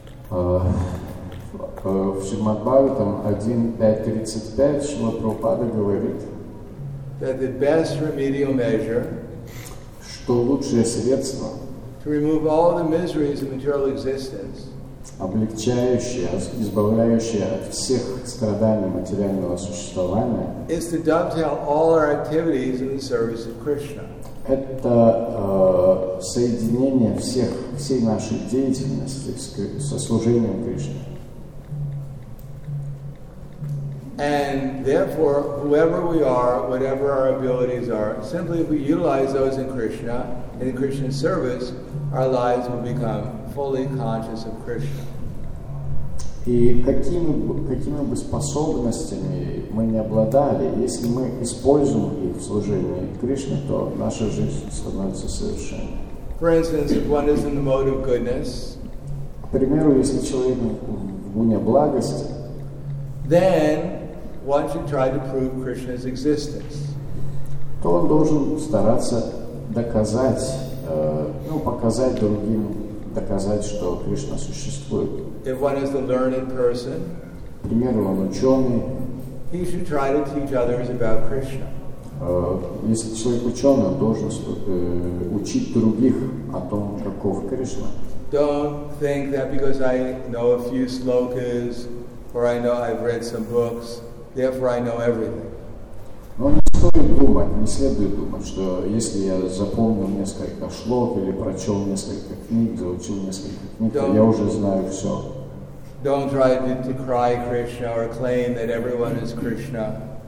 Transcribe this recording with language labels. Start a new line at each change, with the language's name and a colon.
Russian: В Srimad Bhagavatam 1.5.35 Srimad Prabhupada говорит,
English: that the best remedial measure,
Russian: что лучшее средство,
English: to remove all the miseries of material existence,
Russian: облегчающее, избавляющее от всех страданий материального существования,
English: is to dovetail all our activities in the service of Krishna.
Russian: Это соединение всех, всей нашей деятельности со служением Кришне.
English: And therefore, whoever we are, whatever our abilities are, simply if we utilize those in Krishna, in Krishna's service, our lives will become fully conscious of Krishna.
Russian: И какими бы способностями мы ни обладали, если мы используем их в служении Кришне, то наша жизнь становится совершенной.
English: For instance, if one is in the mode of goodness,
Russian: к примеру, если человек в гуне благости,
English: then one should try to prove Krishna's existence.
Russian: То он должен стараться доказать, ну, показать другим, доказать, что Кришна существует.
English: If one is a learned person,
Russian: к примеру, он ученый,
English: he should try to teach others about Krishna.
Russian: Если человек ученый, он должен учить других о том, каков Кришна.
English: Don't think that because I know a few slokas or I know I've read some books, therefore I know everything.
Russian: Но не стоит думать, не следует думать, что если я запомнил несколько шлок или прочел несколько книг, заучил несколько книг, то я уже знаю все.
English: Don't try to decry Krishna or claim that everyone is Krishna.